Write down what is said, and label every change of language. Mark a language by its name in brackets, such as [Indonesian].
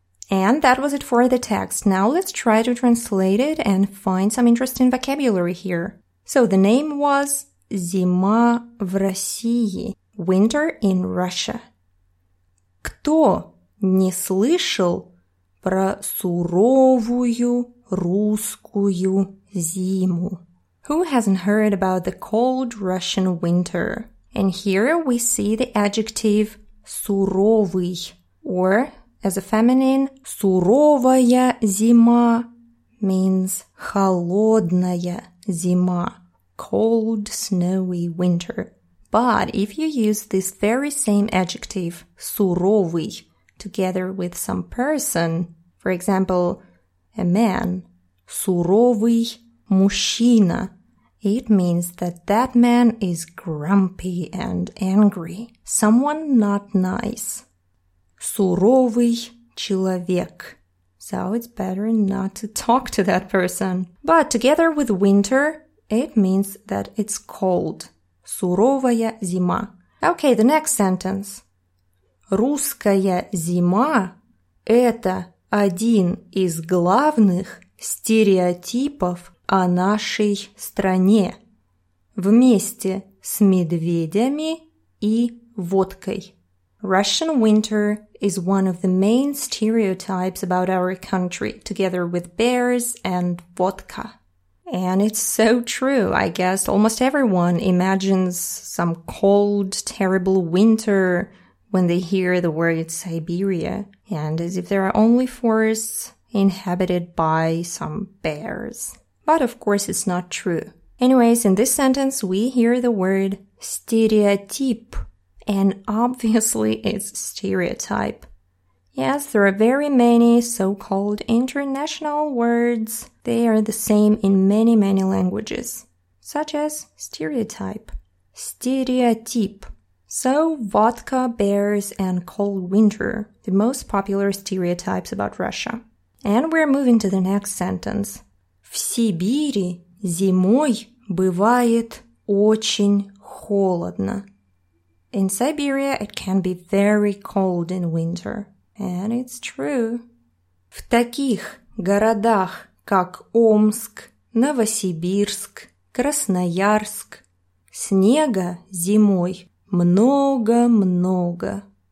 [English] And that was it for the text. Now let's try to translate it and find some interesting vocabulary here. So the name was [Russian] Зима в России. [English] Winter in Russia. [Russian] Кто не слышал про суровую русскую зиму? [English] Who hasn't heard about the cold Russian winter? And here we see the adjective суровый, or as a feminine, [Russian] суровая зима [English] means [Russian] холодная зима. [English] Cold, snowy winter. But if you use this very same adjective, суровый, together with some person, for example, a man, [Russian] суровый мужчина, [English] it means that that man is grumpy and angry, someone not nice. [Russian] Суровый человек. [English] So it's better not to talk to that person. But together with winter, it means that it's cold. [Russian] Суровая зима. [English] Okay, the next sentence. [Russian] Русская зима – это один из главных стереотипов о нашей стране вместе с медведями и водкой. [English] Russian winter is one of the main stereotypes about our country, together with bears and vodka. And it's so true. I guess almost everyone imagines some cold, terrible winter when they hear the word Siberia, and as if there are only forests inhabited by some bears. But of course it's not true. Anyways, in this sentence we hear the word стереотип, and obviously it's stereotype. Yes, there are very many so-called international words. They are the same in many, many languages, such as stereotype. [Russian] Стереотип. [English] So, vodka, bears, and cold winter, the most popular stereotypes about Russia. And we're moving to the next sentence. [Russian] В Сибири зимой бывает очень холодно. [English] In Siberia, it can be very cold in winter. And it's true. [Russian] В таких городах, как Омск, Новосибирск, Красноярск, снега зимой много-много.